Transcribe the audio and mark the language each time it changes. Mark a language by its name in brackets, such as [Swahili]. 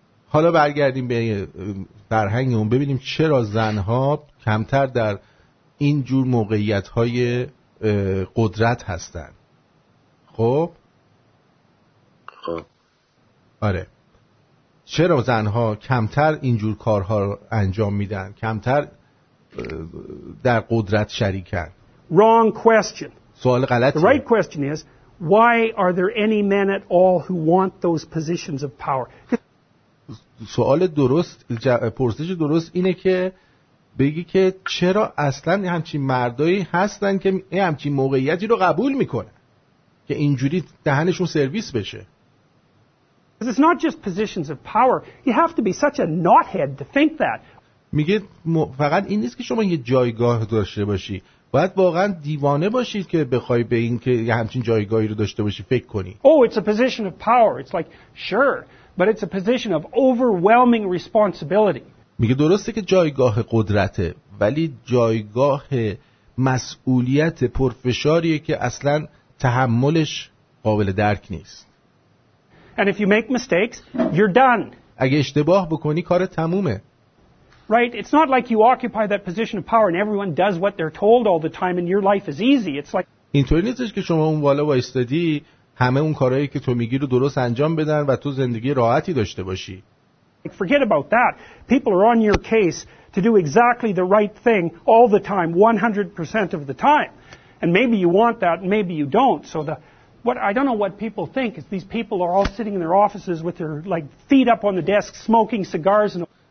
[Persian] حالا برگردیم به فرهنگمون ببینیم چرا زنها کمتر در این جور موقعیت‌های قدرت هستن. خب؟ خب. آره. چرا زنها کمتر این جور کارها رو انجام میدن؟ کمتر در قدرت شریکن؟ [English] Wrong question. [Persian] سوال غلطه. [English] The right question is, why are there any men at all who want those positions of power? [Persian] سوال درست، پرسش درست اینه که بگی که چرا اصلا همچین مردایی هستن که همچین موقعیتی رو قبول میکنن که اینجوری دهنشون سرویس بشه. [English] Because it's not just positions of power. You have to be such a knothead to think that. [Persian] میگه فقط این نیست که شما یه جایگاه داشته باشی، باید واقعا دیوانه باشید که بخوای به این که همچین جایگاهی رو داشته باشی فکر کنی. [English] Oh, it's a position of power. It's like, sure, but it's a position of overwhelming responsibility. [Persian] میگه درسته که جایگاه قدرته، ولی جایگاه مسئولیت پرفشاریه که اصلا تحملش قابل درک نیست. [English] And if you make mistakes, you're done. [Persian] اگه اشتباه بکنی کار تمومه. [English] Right, it's not like you occupy that position of power and everyone does what they're told all the time and your life is easy. It's like [Persian] اینطوری نیستش که شما اون بالا وایستادی همه اون کارهایی که تو میگی رو درست انجام بدن و تو زندگی راحتی داشته باشی. [English] Forget about that. People are on your case to do exactly the right thing all the time, 100% of the time. And maybe you want that, maybe you don't. So I don't know what people think is these people are all sitting in their offices with their like feet up on the desk smoking cigars and